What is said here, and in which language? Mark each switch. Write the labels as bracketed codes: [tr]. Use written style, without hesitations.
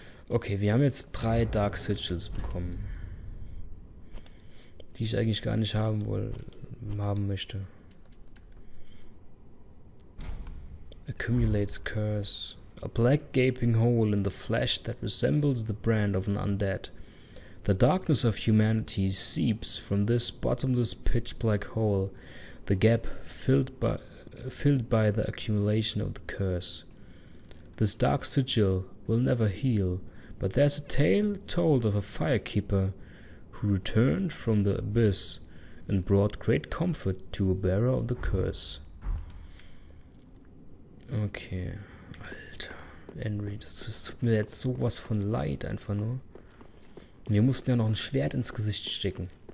[de] Okay, wir haben jetzt 3 Dark Sigils bekommen, die ich eigentlich gar nicht haben möchte. [en] Accumulates curse. A black gaping hole in the flesh that resembles the brand of an undead. The darkness of humanity seeps from this bottomless pitch black hole, the gap filled by the accumulation of the curse. This dark sigil will never heal, but there's a tale told of a firekeeper who returned from the abyss and brought great comfort to a bearer of the curse. [de] Okay, Alter, Henry, das tut mir jetzt sowas von leid, einfach nur. Wir mussten ja noch ein Schwert ins Gesicht stecken.